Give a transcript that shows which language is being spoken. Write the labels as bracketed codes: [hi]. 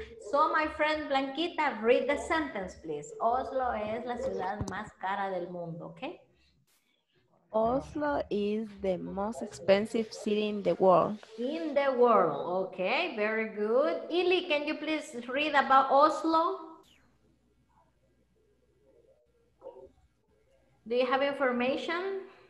[en] So, my friend Blanquita, read the sentence, please. [es] Oslo es la ciudad más cara del mundo, okay? [en] Oslo is the most expensive city in the world. In the world, okay, very good. Ili, can you please read about Oslo? Do you have information?